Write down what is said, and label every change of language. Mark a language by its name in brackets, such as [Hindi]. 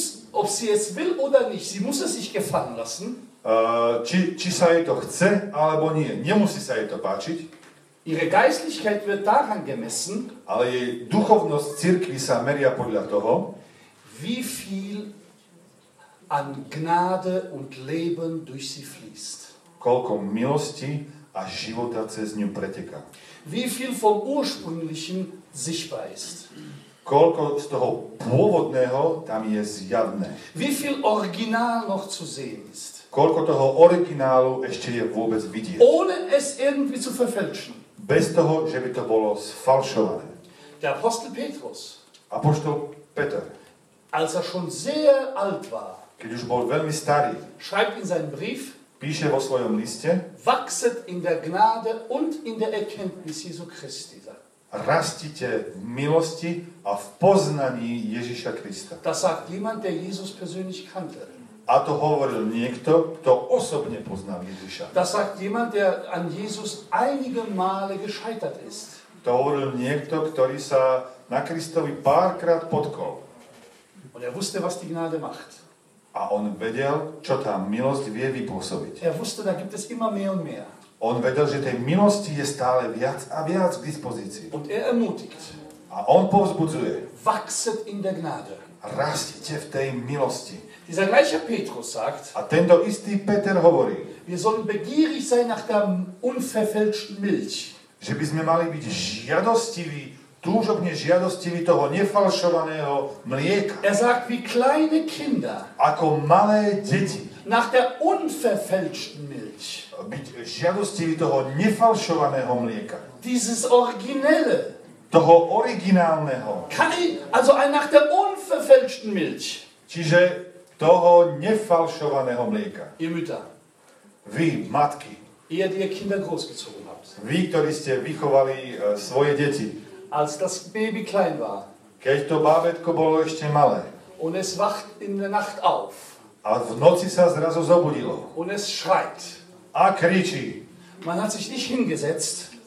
[German] Ob sie es will oder nicht, sie muss es sich gefallen lassen. [Slovak] Či sa jej to chce, alebo nie. Nemusí sa jej to páčiť. [German] Ihre Geistlichkeit wird daran gemessen. [Slovak] Ale jej duchovnosť cirkvi sa meria podľa toho, [German] wie viel an Gnade und Leben durch sie fließt. [Slovak] Koľko milosti a života cez ňu preteká. [German] Wie viel vom Ursprünglichen sichtbar ist. [Slovak] Koľko z toho pôvodného tam je zjavné. [German] Wie viel Original noch zu sehen ist. [Slovak] koľko toho originálu ešte je vôbec vidieť. [German] Ohne es irgendwie zu verfälschen. [Slovak] Bez toho, že by to bolo sfalšované. [German] Der Apostel Petrus. [Slovak] Apoštol Peter. [German] Als er schon sehr alt war. [Slovak] Keď už bol veľmi starý. [German] Schreibt in seinem Brief. [Slovak] Píše vo svojom liste. [German] Wachset in der Gnade und in der Erkenntnis Jesu Christi. [Slovak] Rastite v milosti a v poznaní Ježiša Krista. [German] Das sagt jemand, der Jesus persönlich kannte. [Slovak] A to hovoril niekto, kto osobne poznal Ježiša. [German] Das sagt jemand, der an Jesus einige Male gescheitert ist. [Slovak] To hovoril niekto, ktorý sa na Kristovi párkrát potkol. [German] Und er wusste, was die Gnade macht. [Slovak] A on vedel, čo tá milosť vie vypôsobiť. [German] Er wusste, da gibt es immer mehr und mehr. [Slovak] On vedel, že tej milosti je stále viac a viac k dispozícii. [German] Und er ermutigt. [Slovak] A on povzbudzuje. [German] Wachset in der Gnade. [Slovak] Rastite v tej milosti. [German] Dieser gleiche Petrus sagt. [Slovak] A tento istý Peter hovorí. [German] Wir sollen begierig sein nach der unverfälschten Milch. [Slovak] Že by sme mali byť žiadostiví, túžobne žiadostiví toho nefalšovaného mlieka. [German] Er sagt, wie kleine Kinder. [Slovak] Ako malé deti. [German] Nach der unverfälschten Milch. [Slovak] Byť žiadostiví toho nefalšovaného mlieka. [German] Dieses originelle. [Slovak] Toho originálneho. [German] Also nach der unverfälschten Milch. [Slovak] Čiže toho nefalšovaného mlieka. [German] Ihr Mütter. [Slovak] Vy, matky. [German] Ihr, die Kinder großgezogen habt. [Slovak] Vy, ktorí ste vychovali svoje deti. [German] Als das Baby klein war. [Slovak] Keď to bábätko bolo ešte malé. [German] Und es wacht in der Nacht auf. [Slovak] A v noci sa zrazu zobudilo. [German] Und es schreit. [Slovak] A kričí. [German] Man hat sich nicht hingesetzt.